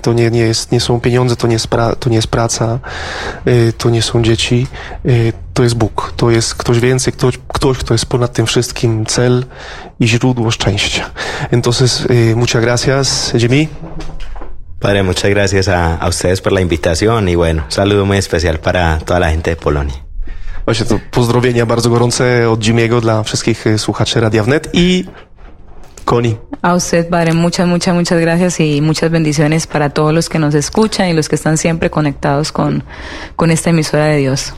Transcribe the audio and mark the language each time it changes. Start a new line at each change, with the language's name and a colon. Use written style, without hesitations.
Polish: To nie są pieniądze, to nie jest praca, to nie są dzieci, to jest Bóg. To jest ktoś więcej, ktoś, kto jest ponad tym wszystkim cel i źródło szczęścia.
Spanish: Entonces, muchas gracias, Jimmy. Padre, muchas gracias a ustedes por la invitación y bueno, saludo muy especial para toda la gente de Polonia.
Polish: Właśnie to pozdrowienia bardzo gorące od Jimmy'ego dla wszystkich słuchaczy Radia Wnet i Koni.
Spanish: A usted, padre, muchas gracias y muchas bendiciones para todos los que nos escuchan y los que están siempre conectados con esta emisora de Dios.